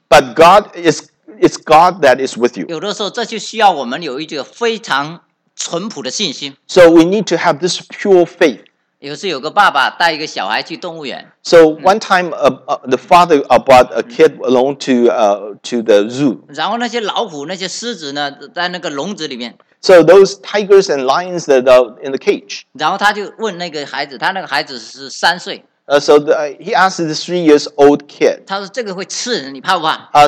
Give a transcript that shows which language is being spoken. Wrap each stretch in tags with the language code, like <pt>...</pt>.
<en>But God is God that is with you.</en> <zh>有的时候，这就需要我们有一个非常淳朴的信心。</zh> <en>So we need to have this pure faith.</en> <zh>有时有个爸爸带一个小孩去动物园。</zh> <en>So one time, the father brought a kid along to the zoo.</en> <zh>然后那些老虎、那些狮子呢，在那个笼子里面。</zh> <en>So those tigers and lions that are in the cage.</en> <zh>然后他就问那个孩子，他那个孩子是三岁。</zh> <en>He asked the 3 years old kid.</en> <zh>他说这个会吃人，你怕不怕？</zh>